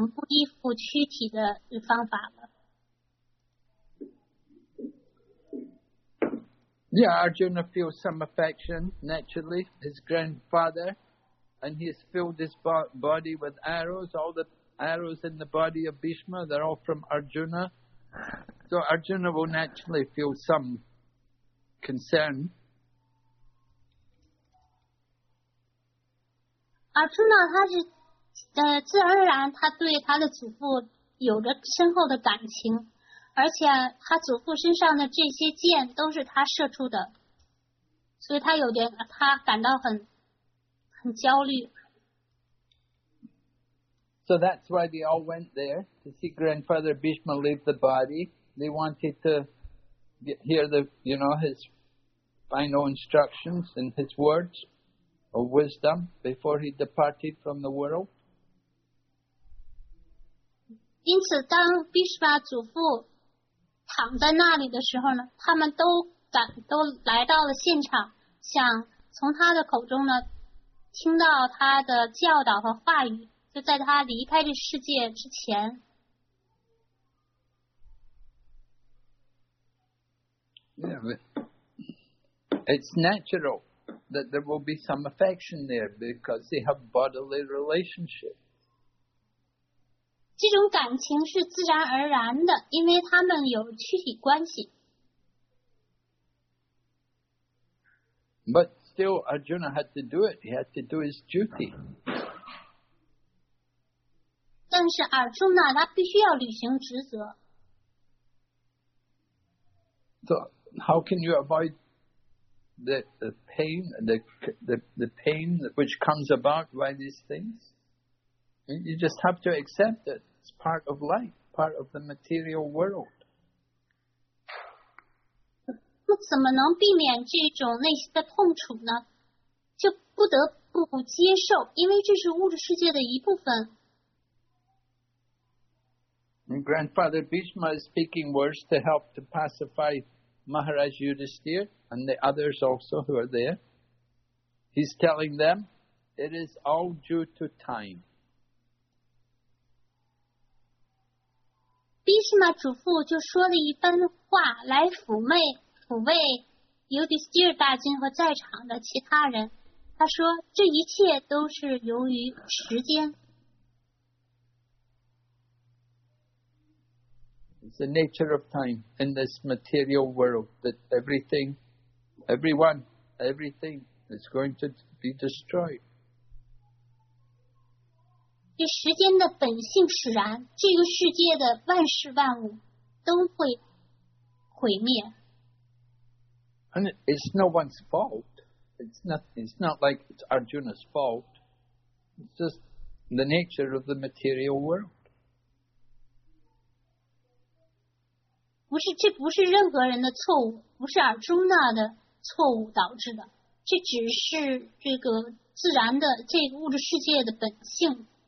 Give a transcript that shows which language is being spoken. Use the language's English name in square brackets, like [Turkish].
[Chinese] 没有什么比奉爱瑜伽更多的来消除这个躯体化概念，让我们不依附躯体的方法了。 [English] Yeah, Arjuna feels some affection, naturally, his grandfather, and he has filled his body with arrows. All the arrows in the body of Bhishma, they're all from Arjuna. So Arjuna will naturally feel some concern. [Chinese] Arjuna,他是自然而然,他对他的祖父有着深厚的感情。而且他祖父身上的这些箭都是他射出的，所以他感到很焦虑。 [English] So that's why they all went there to see Grandfather Bhishma leave the body. They wanted to hear the, you know, his final instructions and his words of wisdom before he departed from the world. [Chinese] 因此当毕士巴祖父躺在那里的时候呢，他们都赶都来到了现场，想从他的口中呢听到他的教导和话语，就在他离开这世界之前。 [English] Yeah, it's natural that there will be some affection there because they have bodily relationship. [Chinese] 这种感情是自然而然的，因为他们有躯体关系。 [English] But still, Arjuna had to do it. He had to do his duty. [Chinese] 但是阿朱那他必须要履行职责。 [English] So,How can you avoid the pain which comes about by these things? You just have to accept it. It's part of life, part of the material world. [Chinese] 那怎么能避免这种内心的痛楚呢？就不得不接受，因为这是物质世界的一部分。 [English] And Grandfather Bhishma is speaking words to help to pacify. Maharaj Yudhisthira and the others also who are there, he's telling them, it is all due to time. [Chinese] Bhishma 祖父就说了一番话来抚慰 Yudhisthira 大君和在场的其他人。他说，这一切都是由于时间。 [English] It's the nature of time in this material world that everything is going to be destroyed. [Chinese] 这时间的本性使然，这个世界的万事万物都会毁灭。 [English] And it's no one's fault. It's not like it's Arjuna's fault. It's just the nature of the material world. [Chinese] 不是，这不是任何人的错误，不是尔朱那的错误导致的，这只是这个自然的这个物质世界的本性。